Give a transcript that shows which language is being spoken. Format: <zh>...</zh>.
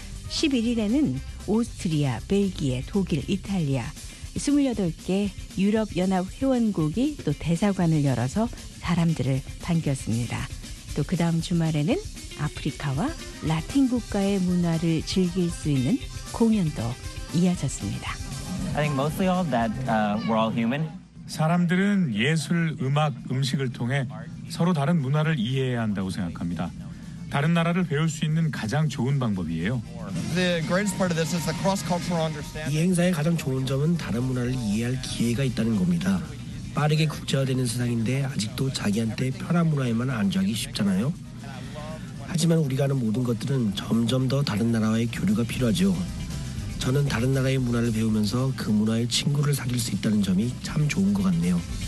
<ko>11일에는 오스트리아, 벨기에, 독일, 이탈리아, 28개 유럽연합 회원국이 또 대사관을 열어서 사람들을 반겼습니다. 또 그 다음 주말에는 아프리카와 라틴 국가의 문화를 즐길 수 있는 공연도 이어졌습니다.</ko> <en>I think mostly all that we're all human.</en> <ko>사람들은 예술, 음악, 음식을 통해 서로 다른 문화를 이해해야 한다고 생각합니다. 다른 나라를 배울 수 있는 가장 좋은 방법이에요.</ko> <en>The greatest part of this is the cross-cultural understanding.</en> <ko>이 행사의 가장 좋은 점은 다른 문화를 이해할 기회가 있다는 겁니다. 빠르게 국제화되는 세상인데 아직도 자기한테 편한 문화에만 안주하기 쉽잖아요. 하지만 우리가 하는 모든 것들은 점점 더 다른 나라와의 교류가 필요하죠. 저는 다른 나라의 문화를 배우면서 그 문화의 친구를 사귈 수 있다는 점이 참 좋은 것 같네요.</ko>